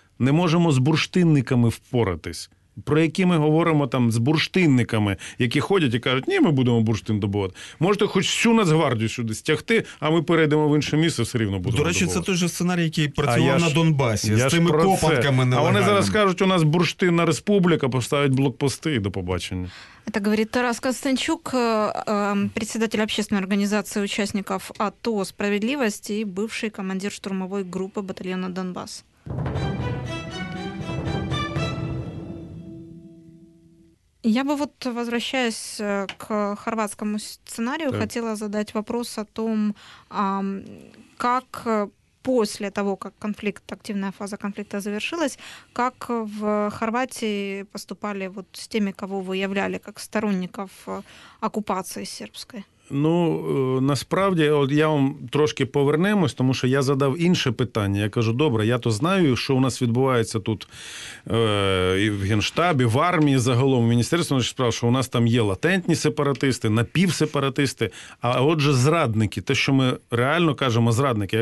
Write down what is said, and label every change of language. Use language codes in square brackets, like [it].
[uk] Не можемо з бурштинниками впоратись. Про які ми говоримо там з бурштинниками, які ходять і кажуть, ні, ми будемо бурштин добувати. Можете хоч всю Нацгвардію сюди стягти, а ми перейдемо в інше місце, все рівно будемо добувати. До речі, добувати. Це той же сценарій, який працював на Донбасі, з тими копатками нелегальними. А вони зараз кажуть, у нас бурштинна республіка, поставить блокпости і до побачення. [ru] Это говорит Тарас Костанчук, председатель общественной организации участников АТО «Справедливость» и бывший командир штурмовой группы батальона «Донбасс». Я бы вот, возвращаясь к хорватскому сценарию, хотела задать вопрос о том, как после того, как конфликт, активная фаза конфликта завершилась, как в Хорватии поступали вот с теми, кого выявляли как сторонников оккупации сербской? [uk] Ну, насправді, от я вам трошки повернемось, тому що я задав інше питання. Я кажу, добре, я то знаю, що у нас відбувається тут і в Генштабі, в армії загалом, в Міністерстві внутрішніх справ, що у нас там є латентні сепаратисти, напівсепаратисти, а отже зрадники, те, що ми реально кажемо зрадники.